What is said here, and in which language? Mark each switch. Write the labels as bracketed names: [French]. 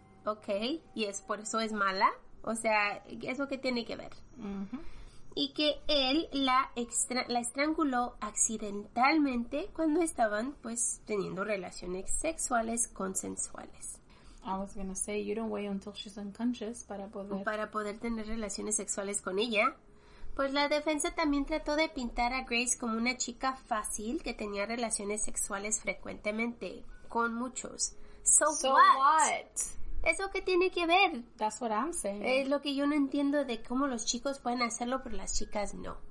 [Spanish] Okay, y es por eso es mala. O sea, ¿eso qué tiene que ver? Uh-huh. Y que él la estranguló accidentalmente cuando estaban, pues, teniendo relaciones sexuales consensuales. [English] I was gonna say, you don't wait until she's unconscious [Spanish] para poder tener relaciones sexuales con ella. Pues la defensa también trató de pintar a Grace como una chica fácil que tenía relaciones sexuales frecuentemente con muchos. [English] So what? [Spanish] ¿Eso qué tiene que ver? [English] That's what I'm saying. [Spanish] Es lo que yo no entiendo, de cómo los chicos pueden hacerlo pero las chicas no.